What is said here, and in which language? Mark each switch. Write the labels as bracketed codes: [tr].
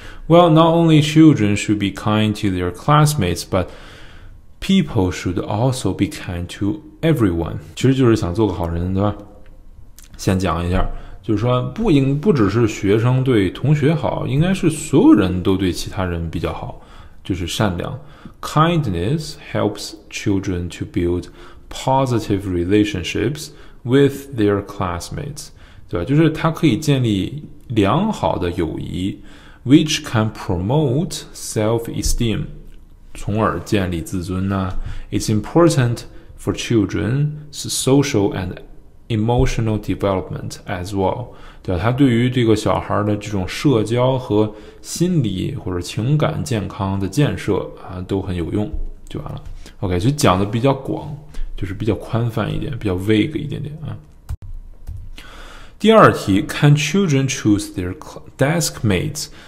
[en] Well, not only children should be kind to their classmates, but people should also be kind to everyone. [zh] 其实就是想做个好人，对吧？先讲一下，就是说不只是学生对同学好，应该是所有人都对其他人比较好，就是善良。 [en] Kindness helps children to build positive relationships with their classmates, [zh] 对吧？就是它可以建立良好的友谊 ， [en] which can promote self-esteem, [zh] 从而建立自尊呢。 [en] It's important for children's social and emotional development as well, [zh] 对吧？它对于这个小孩的这种社交和心理或者情感健康的建设啊，都很有用，就完了。 OK, 就讲的比较广，就是比较宽泛一点，比较 vague 一点点啊。第二题 [en] ，Can children choose their desk mates？